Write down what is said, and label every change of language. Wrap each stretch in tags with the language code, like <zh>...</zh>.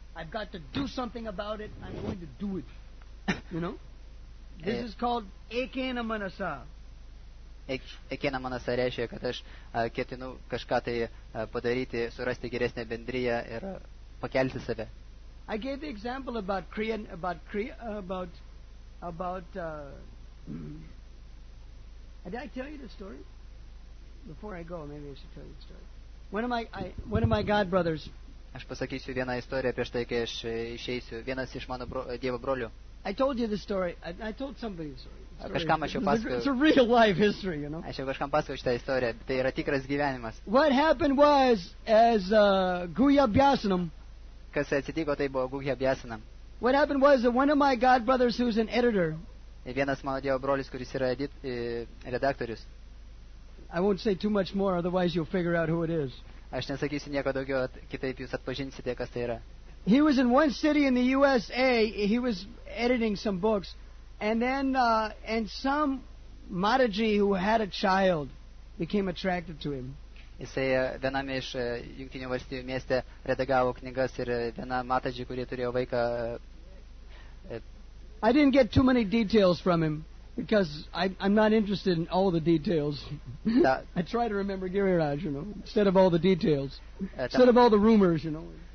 <en>I've got to do something about it. I'm going to do it. You know? This is called ekena manasa.</en> <lt>Ekena manasa reiškia, kad aš ketinu kažką tai padaryti, surasti geresnę bendriją ir pakelti save.</lt> <en>I gave the example about did I tell you the story? Before I go, maybe I should tell you the story. One of my god brothers.</en> <lt>Aš pasakysiu vieną istoriją prieš tai, kai aš išeisiu. Vienas iš mano dievo brolių.</lt> <en>I told you the story. I told somebody the story.</en> <lt>Kažkam aš jau pasakojau.</lt> <en>It's a real life history, you know.</en> <lt>Aš jau kažkam pasakojau šitą istoriją. Tai yra tikras gyvenimas.</lt> <en>What happened was, as Guhyabhyasanam.</en> <lt>Kas atsitiko, tai buvo Guhyabhyasanam.</lt> <en>What happened was that one of my god brothers who's an editor.</en> <lt>Vienas mano dievo brolis, kuris yra redaktorius.</lt> <en>I won't say too much more, otherwise you'll figure out who it is.</en> <lt>aš nesakysiu nieko daugiau, kitaip jūs atpažinsite, kas tai yra.</lt> <en>He was in one city in the USA, he was editing some books, and then and some Mataji who had a child became attracted to him.</en> <lt>Jisai viename iš Jungtinių Valstijų mieste redagavo knygas ir viena Mataji, kuri turėjo vaiką.</lt> <en>I didn't get too many details from him because I'm not interested in all the details. I try to remember Giriraj, you know, instead of all the details, instead of all the rumors, you know.</en>